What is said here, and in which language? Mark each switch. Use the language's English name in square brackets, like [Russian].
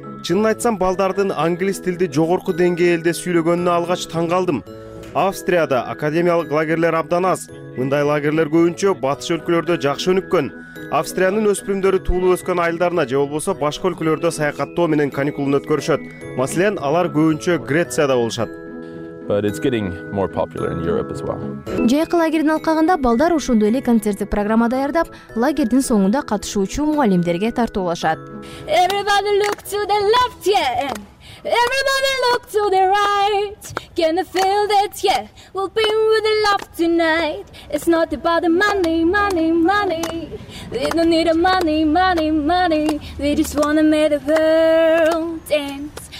[Kyrgyz] Чынын айтсам, балдардын англис тилди жогорку деңгээлде сүйлөгөнүнө алгач таң калдым. Австрияда академиялык лагерлер абдан аз. Мындай лагерлер көбүнчө батыш өлкөлөрдө жакшы өнүккөн. Австриянын өспүрүмдөрү туулуп өскөн айылдарына же болбосо башка өлкөлөрдө саякаттоо менен каникулун өткөрүшөт. Маселен, алар көбүнчө Грецияда болушат. [English] But it's getting more popular in Europe as well. [Kyrgyz] Жайкы лагерин алкагында балдар ошондой эле концерттик программа даярдап, лагердин соңунда катышуучу муалимдерге тартуулашат. [English] Everybody look to the left, yeah. Everybody look to the right. Can I feel that, yeah? We'll be with the love tonight. It's not about the money, money, money. We don't need the money, money, money. We just wanna make the world dance.